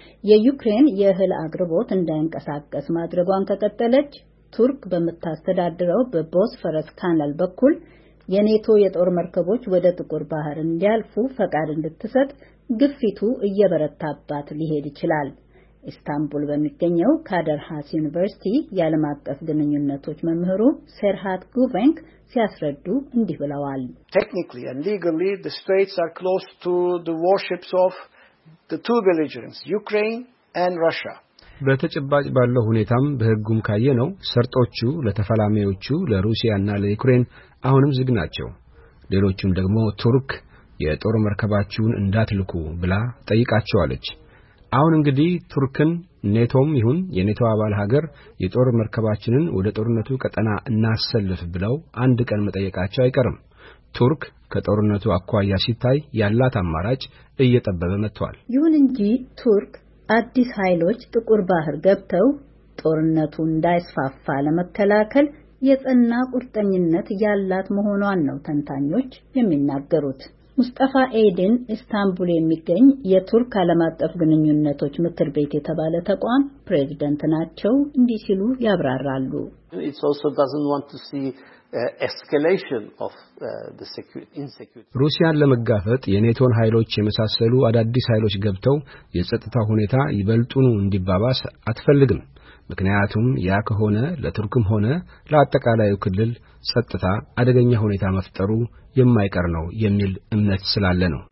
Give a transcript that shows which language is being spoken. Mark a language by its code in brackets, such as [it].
[am] የዩክሬን የእህል አቅርቦት እንዳይንቀሳቀስ ማድረጓን ከቀጠለች ቱርክ በመታስተዳደረው በቦስፈረስ ካናል በኩል የኔቶ የጦር መርከቦች ወደ ጥቁር ባህር እንዲያልፉ ፈቃድ እንድትሰጥ ግፊቱ እየበረታባት ሊሄድ ይችላል። ኢስታንቡል በሚገኘው ካደርሃስ ዩኒቨርሲቲ የዓለም አቀፍ ግንኙነቶች መምህሩ ሰርሃት ጉቬንክ ሲያስረዱ እንዲህ ብለዋል። [en] Technically and legally the states are close to the warships of the two belligerents, Ukraine and Russia. [am] በተጨባጭ ባለው ሁኔታም በህጉም ካየ ነው ሰርጦቹ ለተፈላሚዎቹ ለሩሲያና ለዩክሬን አሁንም ዝግ ናቸው። ሌሎችም ደግሞ ቱርክ የጦር መርከባቸውን እንዳትልኩ ብላ ጠይቃቸዋለች። አሁን እንግዲህ ቱርክን ኔቶም ይሁን የኔቶ አባል ሀገር የጦር መርከባችንን ወደ ጦርነቱ ቀጠና እናሰልፍ ብለው አንድ ቀን መጠየቃቸው አይቀርም። ቱርክ ከጦርነቱ አኳያ ሲታይ ያላት አማራጭ እየጠበበ መጥቷል። ይሁን እንጂ ቱርክ አዲስ ኃይሎች ጥቁር ባህር ገብተው ጦርነቱ እንዳይስፋፋ ለመከላከል የጸና ቁርጠኝነት ያላት መሆኗን ነው ተንታኞች የሚናገሩት። ሙስጠፋ ኤዲን ኢስታንቡል የሚገኝ የቱርክ ዓለም አቀፍ ግንኙነቶች ምክር ቤት የተባለ ተቋም ፕሬዝዳንት ናቸው። እንዲህ ሲሉ ያብራራሉ። [en] It also doesn't want to see escalation of the insecurity. [am] ሩሲያን ለመጋፈጥ የኔቶን ኃይሎች የመሳሰሉ አዳዲስ ኃይሎች ገብተው የጸጥታ ሁኔታ ይበልጡን እንዲባባስ አትፈልግም። ምክንያቱም ያ ከሆነ ለቱርክም ሆነ ለአጠቃላይው ክልል ጸጥታ አደገኛ ሁኔታ መፍጠሩ የማይቀር ነው የሚል እምነት ስላለ ነው።